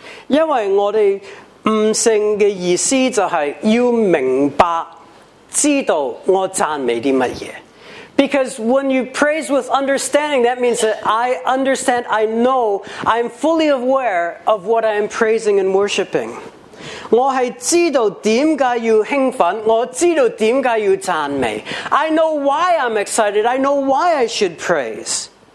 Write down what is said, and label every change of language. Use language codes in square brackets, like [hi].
[en] Because when you praise with understanding, that means that I understand, I know, I'm fully aware of what I am praising and worshiping. [yue] 我係知道點解要興奮，我知道點解要讚美。 [en] I know why I'm excited, I know why I should praise.